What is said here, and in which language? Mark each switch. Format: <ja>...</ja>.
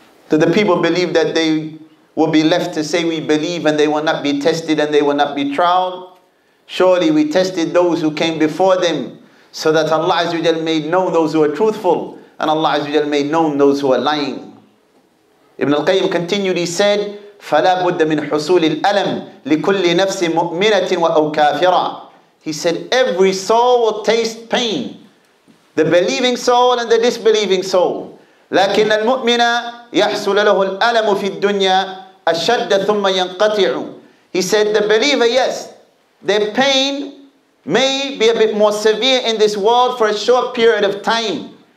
<en>So the people believe that they will be left to say, we believe, and they will not be tested and they will not be trialed. Surely we tested those who came before them, so that Allah Azza wa Jalla made known those who are truthful, and Allah Azza wa Jalla made known those who are lying. Ibn al-Qayyim continued, he said,</en> <ar>فَلَا بُدَّ مِنْ حُصُولِ الْأَلَمْ لِكُلِّ نَفْسٍ مُؤْمِنَةٍ وَأَوْ كَافِرًا.</ar> <en>He said, every soul will taste pain, the believing soul and the disbelieving soul.</en> <ar>لَكِنَّ الْمُؤْمِنَ يَحْصُلَ لَهُ الْأَلَمُ فِي الدُّنْيَا أَشَدَّ ثُمَّ يَنْقَطِعُ.</ar> <en>He said, the believer, yes, their pain may be a bit more severe in this world for a short period of time.</en>